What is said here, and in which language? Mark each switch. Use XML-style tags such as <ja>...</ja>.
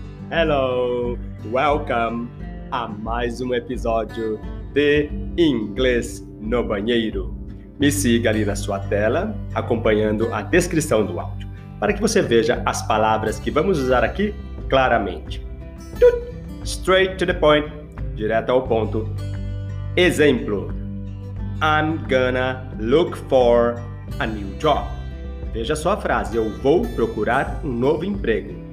<en>Hello, welcome</en> <pt>a mais episódio de Inglês no Banheiro. Me siga ali na sua tela, acompanhando a descrição do áudio, para que você veja as palavras que vamos usar aqui claramente.</pt> <en>Straight to the point,</en> <pt>direto ao ponto. Exemplo,</pt> <en>I'm gonna look for a new job.</en> <pt>Veja só a frase, eu vou procurar um novo emprego.</pt>